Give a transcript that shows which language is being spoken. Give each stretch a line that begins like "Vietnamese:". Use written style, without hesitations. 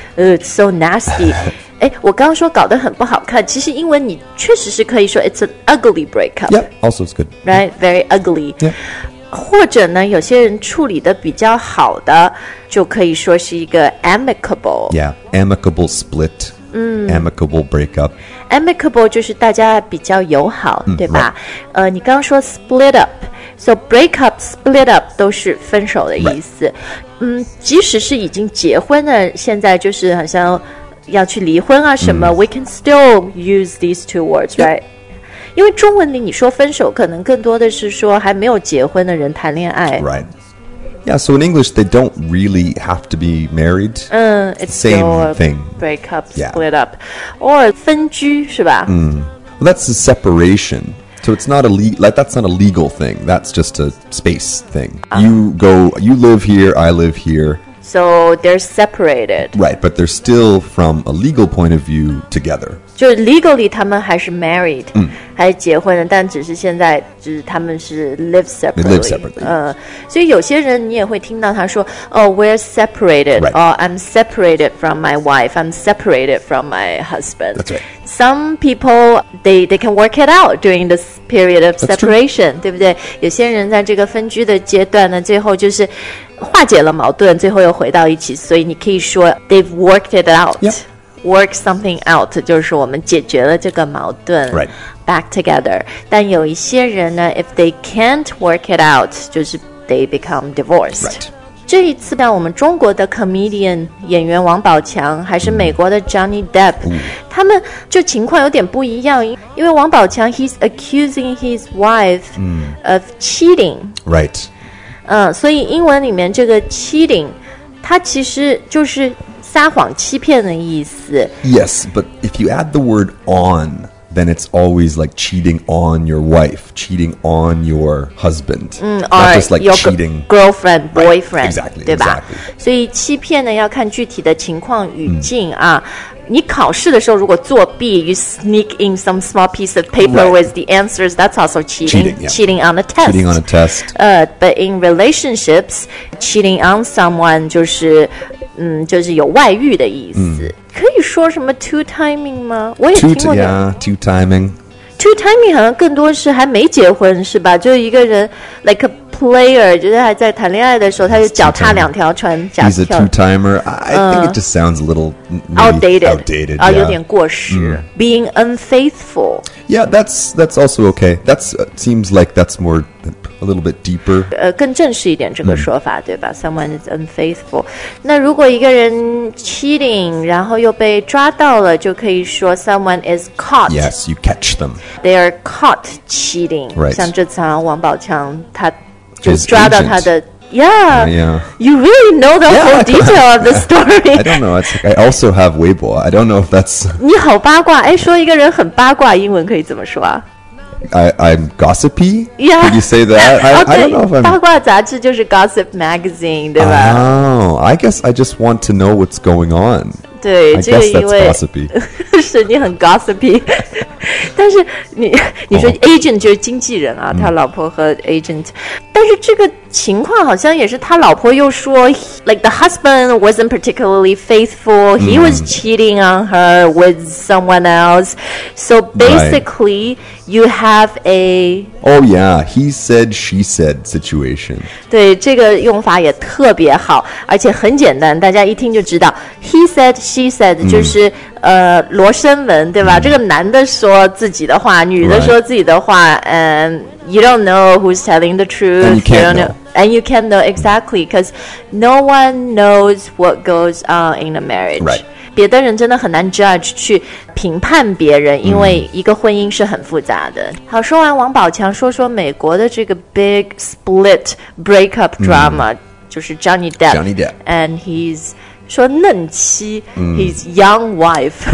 English: it's so nasty
Chinese: 我刚刚说搞得很不好看，其实英文你确实是可以说
English: it's an ugly breakup yeah also it's good right very ugly yeah
Chinese: 或者呢有些人处理的比较好的就可以说是一个 amicable
English: yeah amicable split、
Chinese: 嗯、
English: amicable breakup
Chinese: amicable 就是大家比较友好、嗯、对吧、
English: right.
Chinese: 你刚刚说
English: split up so breakup split up
Chinese: 都是分手的意思、
English: right.
Chinese: 嗯，即使是已经结婚的现在就是好像要去离婚啊什么、嗯、
English: we can still use these two words、 yeah.
Chinese: right因为中文里你说分手可能更多的是说还没有结婚的人谈恋爱
English: Right Yeah, so in English they don't really have to be married It's the same thing Break up, split、 yeah.
Chinese: up Or 分居是吧、
English: mm. well, That's a separation So it's not a that's not a legal thing That's just a space thing、You go, you live here, I live here So they're separated Right, but they're still from a legal point of view together
Chinese: 就 legally 他们还是 married、
English: mm.
Chinese: 还是结婚的但只是现在就是他们是
English: live separately, live separately.、
Chinese: 所以有些人你也会听到他说
English: Oh, we're separated、 right. Or I'm separated from my wife I'm separated from my husband That's right Some people, they can work it out during this period of separation That's true
Chinese: 对不对有些人在这个分居的阶段呢最后就是化解了矛盾最后又回到一起所以你可以说
English: They've worked it out、 yep. Work something out
Chinese: 就是我们解决了这个矛盾
English: Right Back together
Chinese: 但有一些人呢
English: If they can't work it out
Chinese: 就是
English: they become divorced Right
Chinese: 这一次呢我们中国的 comedian 演员王宝强还是美国的 Johnny Depp、
English: mm.
Chinese: 他们就情况有点不一样因为王宝强
English: He's accusing his wife、 mm. of cheating Right
Chinese: 所以英文里面这个 cheating 它其实就是撒谎欺骗的意思
English: Yes, but if you add the word on Then it's always like cheating on your wife Cheating on your husband、
Chinese: 嗯、
English: Not just like cheating Girlfriend, boyfriend right, Exactly,
Chinese: 对吧
English: exactly
Chinese: 所以欺骗呢要看具体的情况语境啊、嗯、你考试的时候如果作弊
English: You sneak in some small piece of paper、 right. with the answers That's also cheating cheating,、yeah. cheating on a test Cheating on a test、 But in relationships Cheating on someone
Chinese: 就是就是有外遇的意思、
English: mm.
Chinese: 可以说什么 two timing 吗？我也听过的。Two timing. Two timing 好像更多是还没结婚是吧？就一个人
English: like a player，
Chinese: 就是还在谈恋爱的时候，他就脚踏两条船。
English: He's a two timer. I think it just sounds a little outdated.
Chinese: 有点过时。
English: Being unfaithful. Yeah, that's also okay. That's seems like that's more. A little bit deeper.
Chinese: 更正式一点这个说法、对吧
English: Someone is unfaithful.
Chinese: 那如果一个人 cheating, 然后又被抓到了就可以说
English: someone is caught. Yes, you catch them. They are caught cheating. Right.
Chinese: 像这次王宝强他就抓到他的
English: You really know the whole detail of the story. I don't know. I also have Weibo. I don't know if that's...
Chinese: 你好八卦。说一个人很八卦英文可以怎么说啊
English: I'm gossipy? Yeah. Did you say that? Okay, I don't know if I'm...
Chinese: 八卦杂志就是 Gossip Magazine, 对吧
English: Oh, I guess I just want to know what's going on.
Chinese: 对
English: I
Chinese: 这个因为
English: guess that's gossipy.
Chinese: 是你很 gossipy. 但是你说 agent 就是经纪人啊、他老婆和 agent. 但是这个情况好像也是他老婆又说
English: Like the husband wasn't particularly faithful. He was cheating on her with someone else. So basically...、You have a... Oh, yeah. He said, she said situation.
Chinese: 对,这个用法也特别好,而且很简单,大家一听就知道。
English: He said, she said,
Chinese: 就是罗生门,对吧? 这个男的说自己的话,女的说自己的话,
English: and you don't know who's telling the truth. And you can't you know. And you can't know exactly, because no one knows what goes on in a marriage. Right.
Chinese: 别的人真的很难 judge 去评判别人因为一个婚姻是很复杂的好说完王宝强说说美国的这个
English: big split breakup drama
Chinese: 就是 Johnny Depp and he's 说嫩妻
English: his young wife